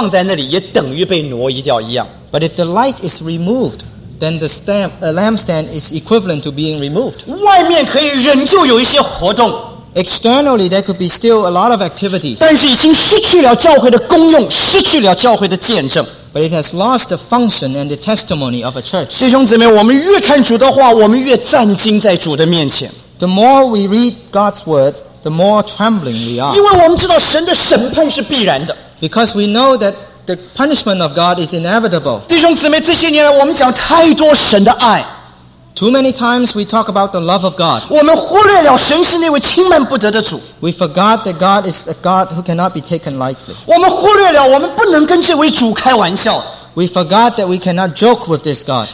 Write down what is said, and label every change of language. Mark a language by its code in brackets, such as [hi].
[zh] 当这个灯不发光的时候，这个灯台放在那里也等于被挪移掉一样。 [en] But if the light is removed, then the lampstand is equivalent to being removed. [zh] 外面可以仍旧有一些活动。 [en] Externally, there could be still a lot of activities. [zh] 但是已经失去了教会的功用，失去了教会的见证。 [en] But it has lost the function and the testimony of a church. [zh] 弟兄姊妹，我们越看主的话，我们越战惊在主的面前。 [en] The more we read God's word, the more trembling we are. [zh] 因为我们知道神的审判是必然的。 [en] Because we know that the punishment of God is inevitable. [zh] 弟兄姊妹，这些年来我们讲太多神的爱。 [en] Too many times we talk about the love of God. [zh] 我们忽略了神是那位轻慢不得的主。 [en] We forgot that God is a God who cannot be taken lightly. [zh] 我们忽略了我们不能跟这位主开玩笑。 [en] We forgot that we cannot joke with this God.